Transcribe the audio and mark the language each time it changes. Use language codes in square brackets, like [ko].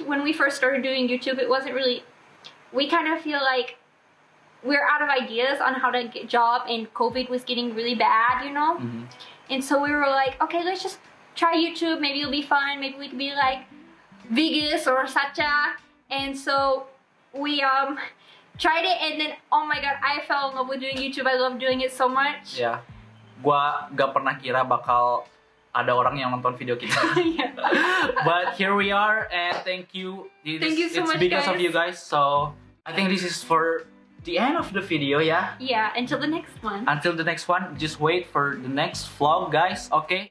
[en] When we first started doing YouTube, it wasn't really. We kind of feel like we're out of ideas on how to get a job and COVID was getting really bad, you know. Mm-hmm. And so we were like, okay, let's just try YouTube, maybe it'll be fun, maybe we could be like Vegas or Sacha. And so we tried it and then oh my god, I fell in love with doing YouTube. I love doing it so much. Yeah. [id] Gua gak pernah kira bakal ada orang yang nonton video kita. [en] But here we are and thank you. Thank you so much, guys. So I think this is for the end of the video, yeah? Yeah, until the next one. Until the next one, just wait for the next vlog, guys, okay?